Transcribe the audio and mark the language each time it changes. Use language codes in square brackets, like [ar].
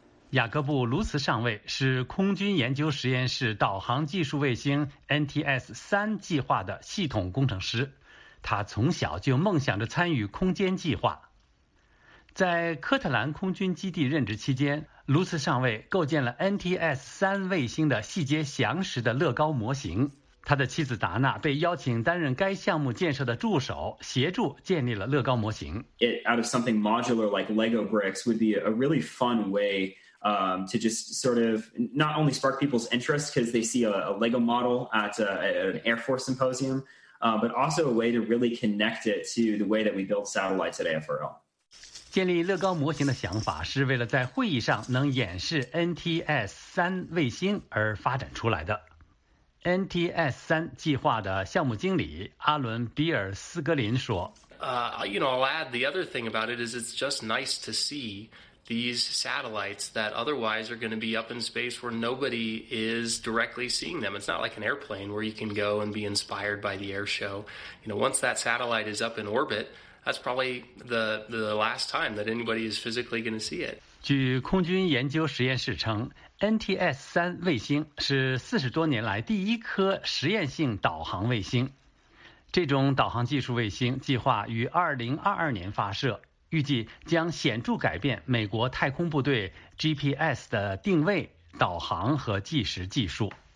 [zh] 雅各布·卢茨上尉是空军研究实验室导航技术卫星 NTS-3 计划的系统工程师，他从小就梦想着参与空间计划。在科特兰空军基地任职期间，卢茨上尉构建了 NTS-3 卫星的细节详实的乐高模型。他的妻子达娜被邀请担任该项目建设的助手，协助建立了乐高模型。 [en] It out of something modular like Lego bricks would be a really fun way to just sort of not only spark people's interest because they see a Lego model at an Air Force symposium, but also a way to really connect it to the way that we build satellites at AFRL. [zh] 建立乐高模型的想法是为了在会议上能演示 NTS-3 卫星而发展出来的。 NTS-3 计划的项目经理阿伦·比尔·斯格林说 [en] I'll add the other thing about it is it's just nice to see these satellites that otherwise are going to be up in space where nobody is directly seeing them. It's not like an airplane where you can go and be inspired by the air show. You know, once that satellite is up in orbit,That's probably the last time that anybody is physically going to see it. [zh] 据空军研究实验室称 ，NTS-3 卫星是40多年来第一颗实验性导航卫星。这种导航技术卫星计划于2022年发射，预计将显著改变美国太空部队 GPS 的定位、导航和计时技术。